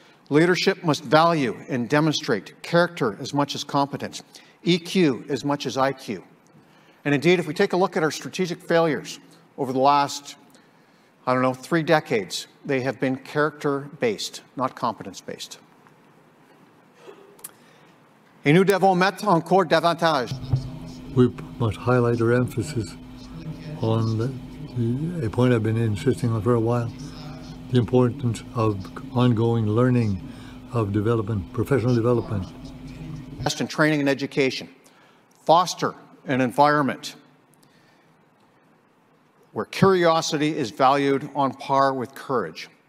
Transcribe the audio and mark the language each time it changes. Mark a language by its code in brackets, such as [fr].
[en] Leadership must value and demonstrate character as much as competence, EQ as much as IQ. And indeed, if we take a look at our strategic failures over the last I don't know, 3 decades, they have been character-based, not competence-based. [fr] Et nous devons mettre encore davantage. [en] We must highlight our emphasis on a point I've been insisting on for a while, the importance of ongoing learning, of development, professional development. Invest in training and education. Foster an environment where curiosity is valued on par with courage.